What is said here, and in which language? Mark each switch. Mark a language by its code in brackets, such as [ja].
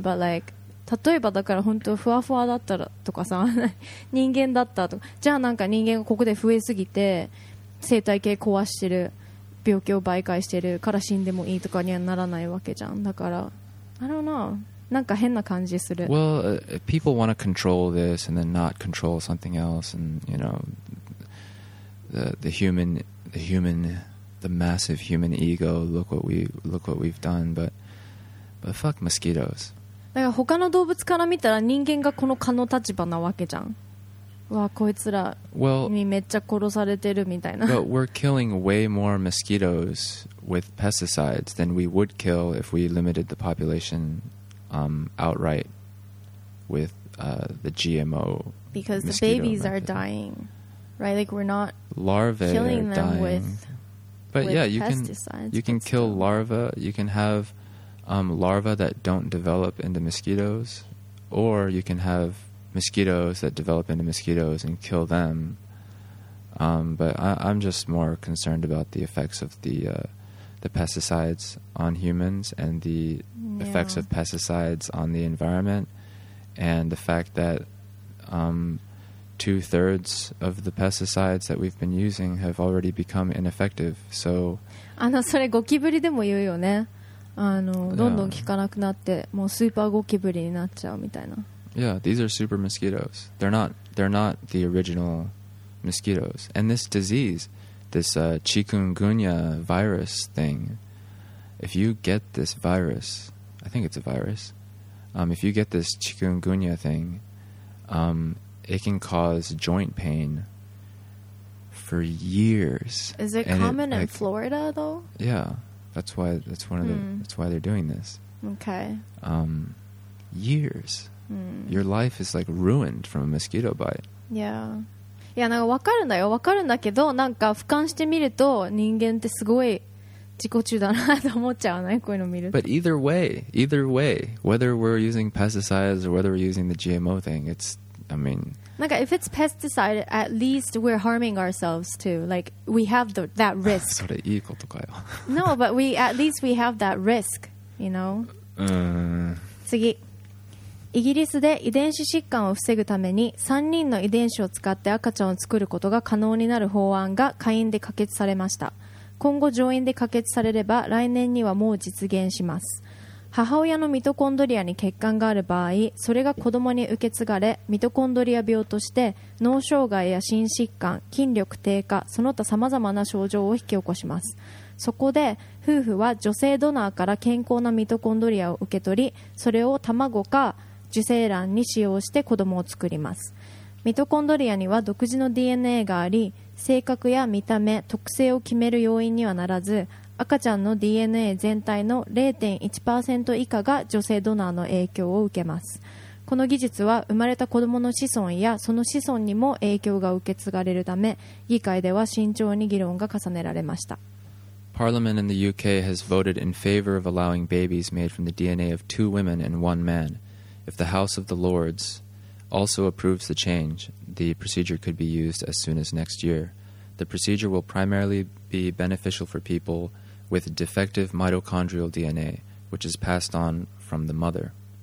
[en] But like [ja] 例えばだから本当ふわふわだったらとかさ、人間だったとか、じゃあなんか人間がここで増えすぎて生態系壊してる、病気を媒介してるから死んでもいいとかにはならないわけじゃん。だから [en] I don't know、 [ja] なんか変な感じする。 [en] Well、people want to control this and then not control something else and you knowThe massive human ego. Look what we've done. But fuck mosquitoes. [ja] だから他の動物から見たら人間がこの蚊の立場なわけじゃん。わあ、こいつらにめっちゃ殺されてるみたいな。 [en] Well, but we're killing way more mosquitoes with pesticides than we would kill if we limited the population outright with the GMO. Because the babies are dying. Right, like we're not larvae killing them dying. You can kill larvae. You can have larvae that don't develop into mosquitoes, or you can have mosquitoes that develop into mosquitoes and kill them. But I'm just more concerned about the effects of the pesticides on humans and the effects of pesticides on the environment, and the fact that. 2/3 of the pesticides that we've been using have already become ineffective. So, [ja] あのそれゴキブリでも言うよね。あのどんどん効かなくなって、もうスーパーゴキブリになっちゃうみたいな。 [en] Yeah, these are super mosquitoes. They're not the original mosquitoes. And this disease, this chikungunya virus thing, if you get this virus, I think it's a virus. If you get this chikungunya thing, It can cause joint pain for years. Is it common in Florida, though? Yeah, that's why they're doing this. Okay. Years. Your life is like ruined from a mosquito bite. Yeah. [ja] いやなんかわかるんだよ。わかるんだけど、なんか俯瞰してみると人間ってすごい自己中だなと思っちゃうね、こういうの見ると。 [en] But either way, whether we're using pesticides or whether we're using the GMO thing, it's I mean, like if it's pesticide, at least we're harming ourselves too. Like we have that risk. [ja] それいいことかよ。 [en] No, but we at least we have that risk, you know. [ja] 次、イギリスで遺伝子疾患を防ぐために3人の遺伝子を使って赤ちゃんを作ることが可能になる法案が下院で可決されました。今後上院で可決されれば来年にはもう実現します。母親のミトコンドリアに欠陥がある場合、それが子供に受け継がれ、ミトコンドリア病として脳障害や心疾患、筋力低下、その他様々な症状を引き起こします。そこで夫婦は女性ドナーから健康なミトコンドリアを受け取り、それを卵か受精卵に使用して子供を作ります。ミトコンドリアには独自の DNA があり、性格や見た目、特性を決める要因にはならず、赤ちゃんの DNA 全体の 0.1% 以下が女性ドナーの影響を受けます。この技術は生まれた子どもの子孫やその子孫にも影響が受け継がれるため、議会では慎重に議論が重ねられました。 [en] Parliament in the UK has voted in favor of allowing babies made from the DNA of two women and one man. If the House of the Lords also approves the change, the procedure could be used as soon as next year. The procedure will primarily be beneficial for people with defective mitochondrial DNA, which is passed on from the mother.